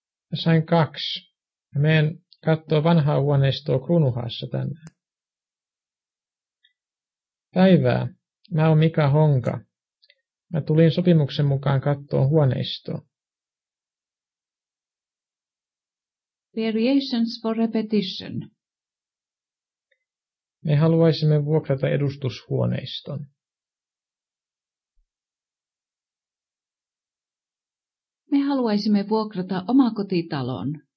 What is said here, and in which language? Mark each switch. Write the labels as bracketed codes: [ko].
[fi] Mä sain 2. Mä meen kattoo vanhaa huoneistoa Kruunuhaassa tänään. Päivää. Mä oon Mika Honka. Mä tulin sopimuksen mukaan kattoo huoneistoa. [en] Variations for repetition. [fi] Me haluaisimme vuokrata edustushuoneiston. Me haluaisimme vuokrata omakotitalon.